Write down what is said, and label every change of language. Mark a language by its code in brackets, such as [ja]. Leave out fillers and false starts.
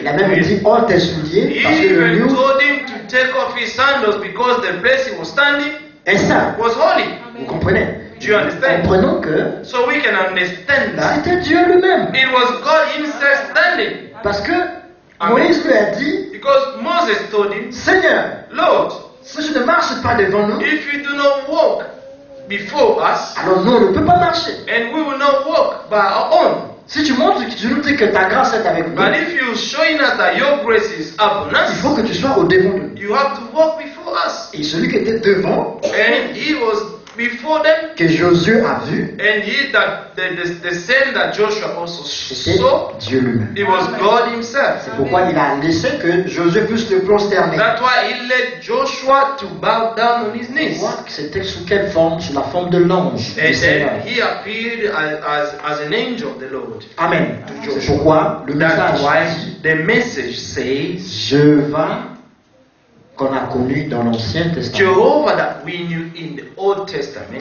[fr] Il a même dit, ôte tes souliers, parce que le lieu, [en] he told him to take off his sandals because the place he was standing, [fr] et ça, [en] was holy. [fr] Vous comprenez? [en] Do you understand? [fr] Comprenons que, [en] so we can understand that, [fr] c'était Dieu lui-même. [en] It was God himself standing. [fr] Parce que Moïse lui a dit, [en] because Moses told him, [fr] Seigneur, [en] Lord, [fr] si je ne marche pas devant nous, [en] if you do not walk, before us. [fr] Alors nous, on ne peut pas marcher. [en] And we will not walk by our own. [fr] Si tu montres que tu nous dis que ta grâce est avec nous. [en] But if you showing us that your grace is upon us. [fr] Il faut que tu sois au devant de nous. [en] You have to walk before us. [fr] Et celui qui était devant. [en] And he was before them. [fr] Que Josué a vu. [en] And he that the same that Joshua also saw. [fr] Dieu lui-même. [en] It was God himself. [fr] C'est pourquoi il a laissé que Josué puisse le prosterner. [en] That's why he let Joshua to bow down on his knees. [fr] Voir que c'était sous quelle forme, sous la forme de l'ange. [en] And he appeared as an angel of the Lord. [fr] Amen. C'est pourquoi le message. [en] The message says. [fr] Je vais qu'on a connu dans l'Ancien Testament. [en] Jehovah that we knew in the Old Testament.